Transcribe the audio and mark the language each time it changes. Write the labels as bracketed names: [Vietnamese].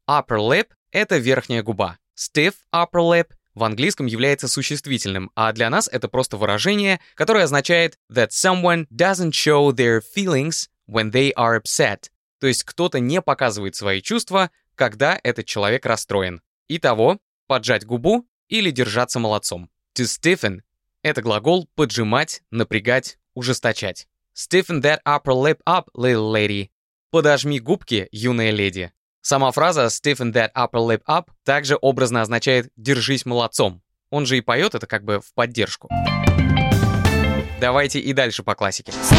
[Russian] Upper lip — это верхняя губа. Stiff upper lip в английском является существительным, а для нас это просто выражение, которое означает [English] that someone doesn't show their feelings when they are upset, [Russian] то есть кто-то не показывает свои чувства, когда этот человек расстроен. Итого, поджать губу или держаться молодцом. To stiffen — это глагол поджимать, напрягать, ужесточать. [English] Stiffen that upper lip up, little lady. [Russian] Подожми губки, юная леди. Сама фраза [English] stiffen that upper lip up [Russian] также образно означает «держись молодцом». Он же и поет это как бы в поддержку. Давайте и дальше по классике.